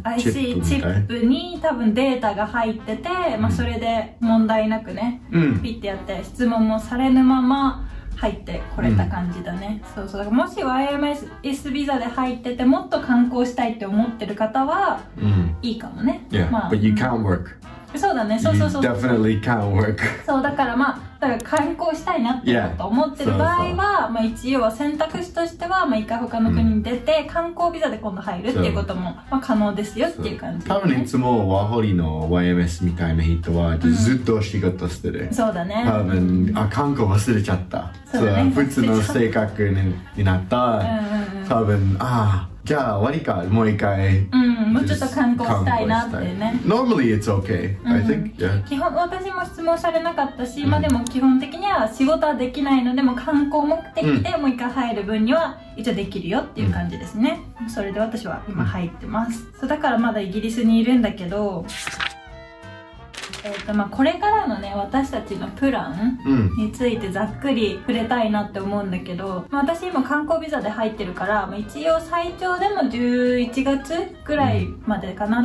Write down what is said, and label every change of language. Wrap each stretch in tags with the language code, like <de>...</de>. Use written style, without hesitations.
<ja>チップに多分データが入ってて、まあそれで問題なくね、ピッてやって質問もされぬまま、入ってこれた感じだね。そうそう。だからもし YMS ビザで入ってて、もっと観光したいって思ってる方は、いいかもね。</ja> <en>Yeah, まあ、but you can't work.</en> <ja>そうだね。そう。</ja> <en>You definitely can't work.</en> <ja>そう、だからまあ、だから観光したいなって思ってる場合は、まあ一応は選択肢としては、まあ一回他の国に出て、観光ビザで今度入るっていうことも、まあ可能ですよっていう感じ、ね。多分いつもワホリの YMS みたいな人は、ずっと仕事してる。そうだね。多分、あ、観光忘れちゃった。そう、普通の性格になった、多分、ああ、じゃあ終わりか、もう一回、もうちょっと観光したいなってね。</ja> <en>Normally it's okay, I think, yeah.</en> <ja>基本、私も質問されなかったし、まあでも基本的には仕事はできないので、も観光目的でもう一回入る分には一応できるよっていう感じですね。それで私は今入ってます。そう、だからまだイギリスにいるんだけど、まあ、これからのね、私たちのプランについてざっくり触れたいなって思うんだけど、まあ、私今観光ビザで入ってるから、まあ、一応最長でも11月ぐらいまでかな。</ja>